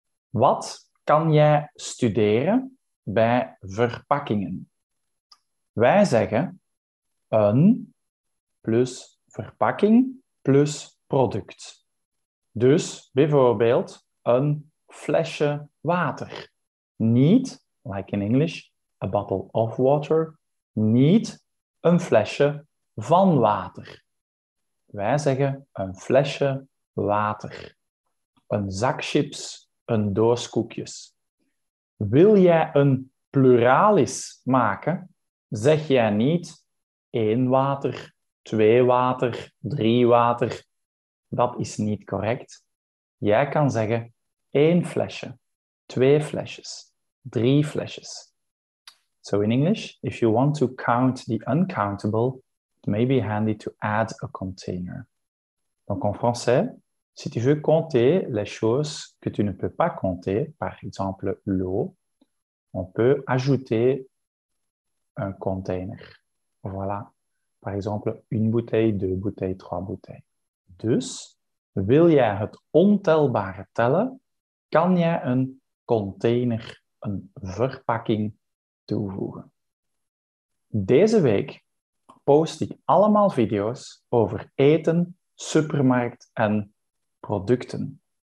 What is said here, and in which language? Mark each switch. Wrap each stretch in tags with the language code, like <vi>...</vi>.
<nl>Wat kan jij studeren bij verpakkingen? Wij zeggen een plus verpakking plus product. Dus bijvoorbeeld een flesje water.</nl> <en>Niet, like in English, a bottle of water.</en> <nl>Niet een flesje van water. Wij zeggen een flesje water. Een zak chips. Een doos koekjes. Wil jij een pluralis maken, zeg jij niet 1 water, 2 water, 3 water. Dat is niet correct. Jij kan zeggen 1 flesje, 2 flesjes, 3 flesjes.</nl> <en>So in English, if you want to count the uncountable, it may be handy to add a container.</en> <fr>Donc en français, si tu veux compter les choses que tu ne peux pas compter, par exemple l'eau, on peut ajouter un container. Voilà. Par exemple, une bouteille, deux bouteilles, trois bouteilles.</fr> <nl>Dus, wil jij het ontelbare tellen, kan jij een container, een verpakking toevoegen. Deze week post ik allemaal video's over eten, supermarkt en producten.</nl>